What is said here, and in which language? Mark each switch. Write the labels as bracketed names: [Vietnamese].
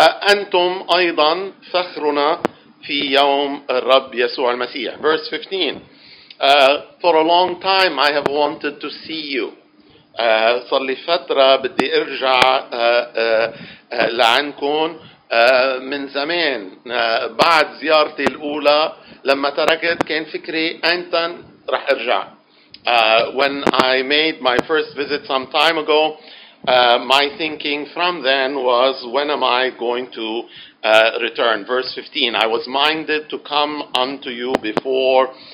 [Arabic] أنتم أيضا فخرنا في يوم الرب يسوع المسيح. [English] Verse 15. For a long time I have wanted to see you. [Arabic] صار لي فترة بدي أرجع لعنكم من زمان. بعد زيارتي الأولى لما تركت كان فكري أنت رح أرجع. [English] When I made my first visit some time ago, my thinking from then was, when am I going to return? Verse 15, I was minded to come unto you before.